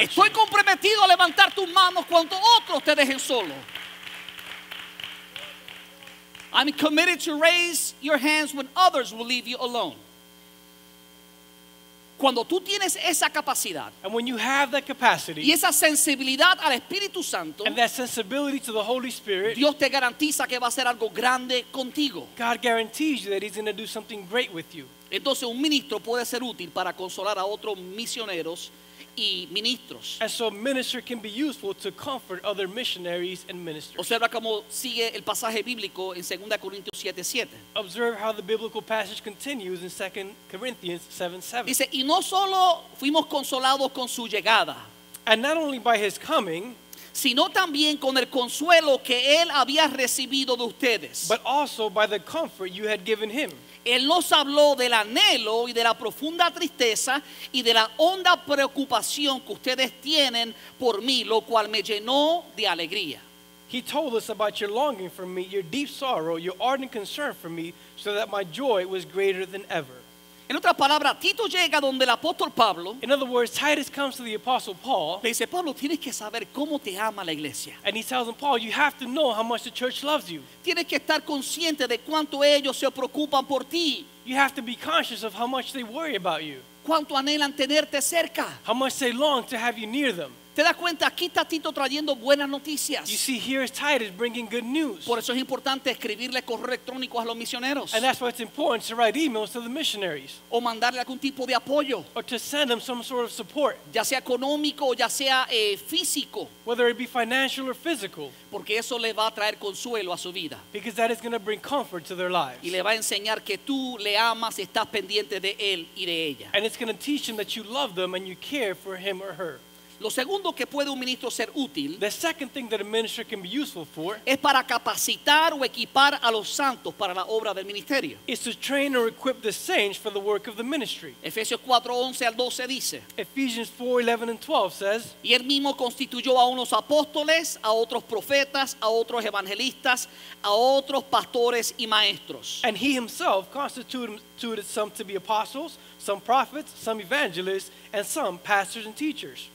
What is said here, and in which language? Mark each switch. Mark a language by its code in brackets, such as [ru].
[en] you. [es] Estoy comprometido a levantar tus manos cuando otros te dejen solo. [en] I'm committed to raise your hands when others will leave you alone. [es] Cuando tú tienes esa capacidad, [en] and when you have that capacity, [es] y esa sensibilidad al Espíritu Santo, [en] and that sensibility to the Holy Spirit, [es] Dios te garantiza que va a hacer algo grande contigo. [en] God guarantees you that he's going to do something great with you. [es] Entonces, un ministro puede ser útil para consolar a otros misioneros y ministros. [en] And so a minister can be useful to comfort other missionaries and ministers. [es] Observa cómo sigue el pasaje bíblico en 2 Corintios 7:7. [en] Observe how the biblical passage continues in 2 Corinthians 7:7. [es] Dice, y no solo fuimos consolados con su llegada. [en] And not only by his coming, [es] sino también con el consuelo que él había recibido de ustedes. [en] But also by the comfort you had given him. [es] Él nos habló del anhelo y de la profunda tristeza y de la honda preocupación que ustedes tienen por mí, lo cual me llenó de alegría. [en] He told us about your longing for me, your deep sorrow, your ardent concern for me, so that my joy was greater than ever. [es] En otras palabras, Tito llega donde el apóstol Pablo. [en] In other words, Titus comes to the apostle Paul. [es] Le dice, Pablo, tienes que saber cómo te ama la iglesia. [en] And he tells him, Paul, you have to know how much the church loves you. [es] Tienes que estar consciente de cuánto ellos se preocupan por ti. [en] You have to be conscious of how much they worry about you. [es] Cuánto anhelan tenerte cerca. [en] How much they long to have you near them. [es] ¿Te das cuenta? Aquí está Tito trayendo buenas noticias. [en] You see, here is Titus bringing good news. [es] Por eso es importante escribirle correo electrónico a los misioneros. [en] And that's why it's important to write emails to the missionaries. [es] O mandarle algún tipo de apoyo. [en] Or to send them some sort of support. [es] Ya sea económico o ya sea físico. [en] Whether it be financial or physical. [es] Porque eso le va a traer consuelo a su vida. [en] Because that is going to bring comfort to their lives. [es] Y le va a enseñar que tú le amas y estás pendiente de él y de ella. [en] And it's going to teach them that you love them and you care for him or her. [es] Lo segundo que puede un ministro ser útil, [en] the second thing that a minister can be useful for, [es] es para capacitar o equipar a los santos para la obra del ministerio. [en] Is to train or equip the saints for the work of the ministry. [es] Efesios 4:11 al 12 dice, [en] Ephesians 4:11 and 12 says, [es] y él mismo constituyó a unos apóstoles, a otros profetas, a otros evangelistas, a otros pastores y maestros. [en] And he himself constituted some to be apostles, some prophets, some evangelists, and some pastors and teachers.